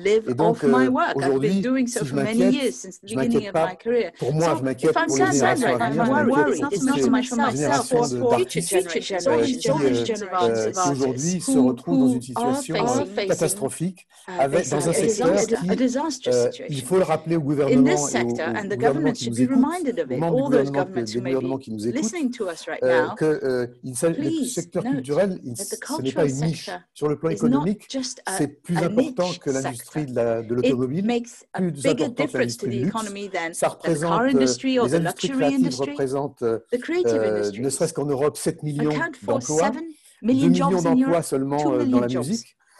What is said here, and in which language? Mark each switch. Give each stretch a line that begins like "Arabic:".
French: Et donc, aujourd'hui, si je m'inquiète, je ne m'inquiète pas pour moi, je m'inquiète pour les générations à venir, je m'inquiète pour les générations d'artistes qui, aujourd'hui, se retrouvent dans une situation catastrophique, dans un secteur qui, il faut le rappeler au gouvernement,
English: and the governments should be reminded of it, all those governments who may be listening to us right now.
French: Le secteur culturel, ce n'est pas une niche. Sur le plan économique, c'est plus important que l'industrie de l'automobile, plus important que l'industrie du luxe. Ça représente, les industries créatives représentent, ne serait-ce qu'en Europe, 7 millions d'emplois, 2 millions d'emplois seulement dans la musique.